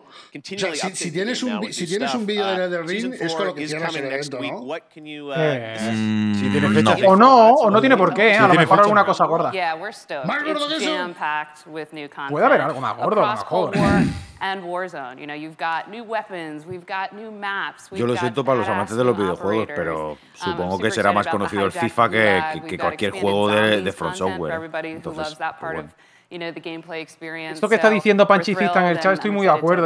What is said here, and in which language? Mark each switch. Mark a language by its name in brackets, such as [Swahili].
[Spanish] O sea, si tienes un vídeo de Elden Ring, es con lo que cierras el evento, ¿no? O no tiene por qué, ¿eh? A lo mejor alguna cosa gorda. ¿Más gordo que eso? Puede haber algo más gordo, a lo mejor. [English] And Warzone, you know, you've got new weapons, we've got new maps. [Spanish] Yo lo siento para los amantes de los videojuegos, pero supongo que será más conocido el FIFA que cualquier juego de From Software. Entonces, [English] you know, the gameplay experience. [Spanish] Esto que está diciendo Panchicista en el chat, estoy muy de acuerdo.